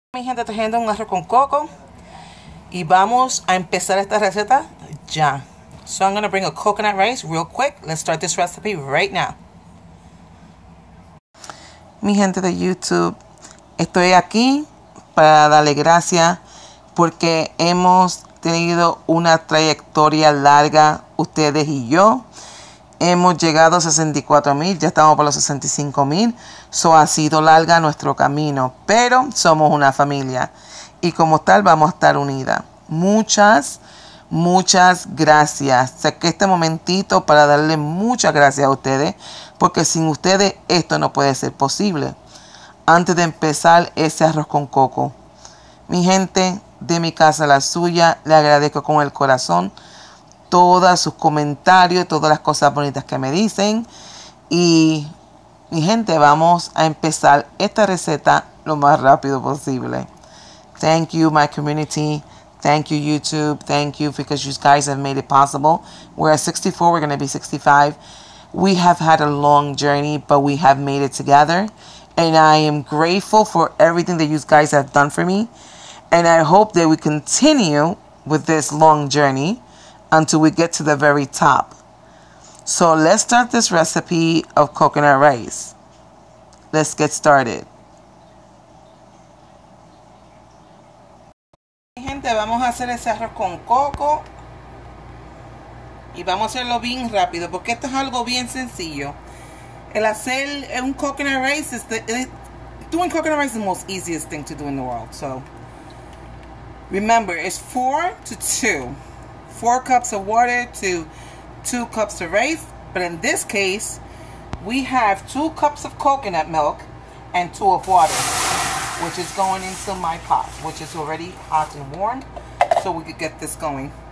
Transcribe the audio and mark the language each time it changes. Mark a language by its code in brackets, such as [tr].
[es] Mi gente, tejiendo un arroz con coco y vamos a empezar esta receta ya. [en] So I'm gonna bring a coconut rice real quick. Let's start this recipe right now. [es] Mi gente de YouTube, estoy aquí para darle gracias porque hemos tenido una trayectoria larga ustedes y yo. Hemos llegado a 64,000, ya estamos por los 65,000. So ha sido larga nuestro camino, pero somos una familia y como tal vamos a estar unidas. Muchas, muchas gracias. Sé que este momentito para darle muchas gracias a ustedes, porque sin ustedes esto no puede ser posible. Antes de empezar ese arroz con coco, mi gente de mi casa a la suya, le agradezco con el corazón todos sus comentarios, todas las cosas bonitas que me dicen. Y mi gente, vamos a empezar esta receta lo más rápido posible. [en] Thank you, my community. Thank you, YouTube. Thank you because you guys have made it possible. We're at 64. We're going to be 65. We have had a long journey, but we have made it together. And I am grateful for everything that you guys have done for me. And I hope that we continue with this long journey until we get to the very top. So let's start this recipe of coconut rice. Let's get started. [es] Mi gente, vamos a hacer ese arroz con coco. Y vamos a hacerlo bien rápido, porque esto es algo bien sencillo. [en] El hacer un coconut rice is doing coconut rice is the most easiest thing to do in the world. So remember, it's 4 to 2. 4 cups of water to 2 cups of rice, but in this case we have 2 cups of coconut milk and 2 of water, which is going into my pot, which is already hot and warm, so we could get this going.